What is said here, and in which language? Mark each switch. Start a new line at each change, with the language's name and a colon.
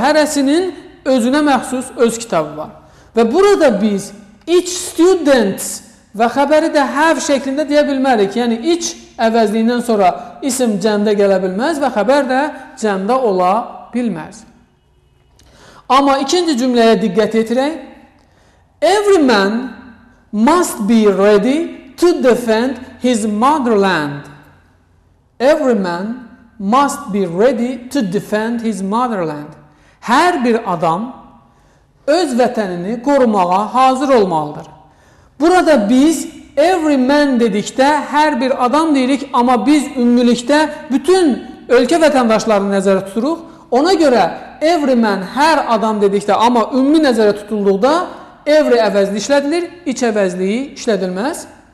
Azerbaijani: Hərəsinin özünə məxsus öz kitabı var. Və burada biz
English: each students
Azerbaijani: və xəbəri də
English: have
Azerbaijani: şəklində deyə bilmərik. Yəni, each əvəzliyindən sonra isim cəmdə gələ bilməz və xəbər də cəmdə ola bilməz. Amma ikinci cümləyə diqqət yetirək.
English: Every man must be ready to defend his motherland. Every man must be ready to defend his motherland.
Azerbaijani: Hər bir adam öz vətənini qorumağa hazır olmalıdır. Burada biz
English: every man
Azerbaijani: dedikdə hər bir adam deyirik, amma biz ümumilikdə bütün ölkə vətəndaşlarını nəzərə tuturuq. Ona görə
English: every man
Azerbaijani: hər adam dedikdə, amma ümumi nəzərə tutulduqda every əvəzli işlədilir, iç əvəzliyi işlədilməz.